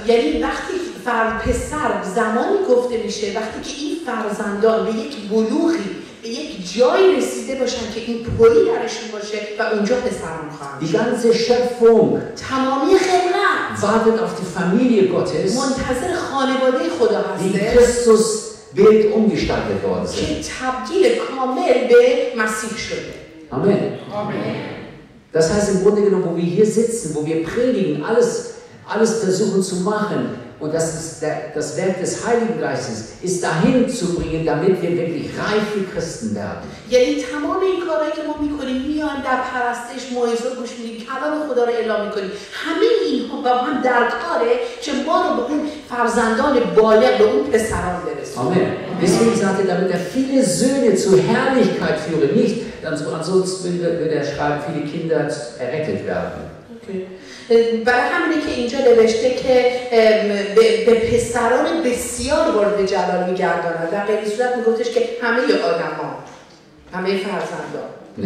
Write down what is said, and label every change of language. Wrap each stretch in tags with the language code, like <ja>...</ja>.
<fa>یعنی وقتی فرد پسر زمانی گفته میشه وقتی که این فرزندان به یک بلوغی به یک جایی رسیده باشن که این پلی درشون باشه و اونجا پسر رو خواهند.</fa> <de>Die ganze Schöpfung</de> <fa>تمامی خلقت</fa> <de>wartet auf die Familie Gottes.</de> <fa>منتظر خانواده خدا هست.</fa> <de>Die Christus Bild umgestaltet worden sind.</de> <fa>Tabgile kamel be masih shode.</fa> <de>Amen. Amen. Das heißt im Grunde genommen, wo wir hier sitzen, wo wir predigen, alles versuchen zu machen und das Werk des Heiligen Geistes ist dahin zu bringen, damit wir wirklich reife Christen werden.</de> <fa>یعنی تمام این کارهایی که ما میکنیم میان در پرستش موعظه رو گوش میدیم کلام خدا رو اعلام میکنیم همه اینها با هم در کاره که ما رو به اون فرزندان بالغ به اون پسران برسونیم</fa> <de>آمین Deswegen sagte, damit er viele Söhne zur Herrlichkeit führe, nicht, ansonsten würde er schreiben, viele Kinder errettet werden.</de> <fa>برای همینه که اینجا نوشته که به پسران بسیار وارد جلال می‌گرداند در غیر صورت می‌گفتش که همه آدم ها همه فرزند ها</fa>